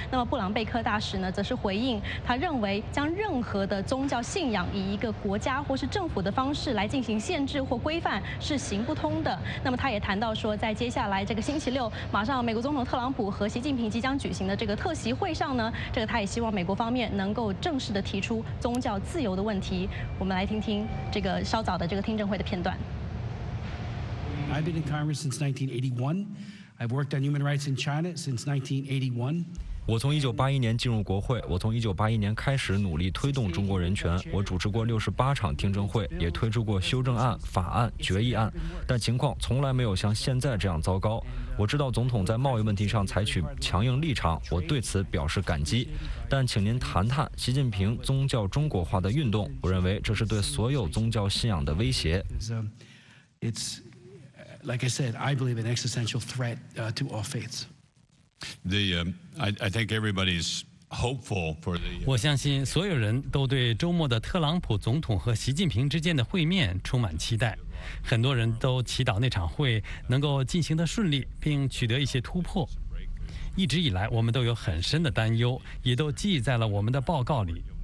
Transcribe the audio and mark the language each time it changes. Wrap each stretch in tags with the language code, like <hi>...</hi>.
<zh>那么布朗贝克大使呢则是回应，他认为将任何的宗教信仰以一个国家或是政府的方式来进行限制或规范是行不通的。那么他也谈到说，在接下来这个星期六马上美国总统特朗普和习近平即将举行的这个特席会上呢，这个他也希望美国方面能够正式提出宗教自由的问题。我们来听听这个稍早的这个听证会的片段。</zh> <en>I've been in Congress since 1981. I've worked on human rights in China since 1981.</en> <zh>我从1981年进入国会，我从1981年开始努力推动中国人权。我主持过68场听证会，也推出过修正案、法案、决议案，但情况从来没有像现在这样糟糕。我知道总统在贸易问题上采取强硬立场，我对此表示感激。但请您谈谈习近平宗教中国化的运动，我认为这是对所有宗教信仰的威胁。</zh> <en>It's like I said, I believe an existential threat to all faiths. I think everybody's hopeful for the.</en> <zh>我相信所有人都对周末的特朗普总统和习近平之间的会面充满期待，很多人都祈祷那场会能够进行的顺利，并取得一些突破。一直以来，我们都有很深的担忧，也都记在了我们的报告里。</zh>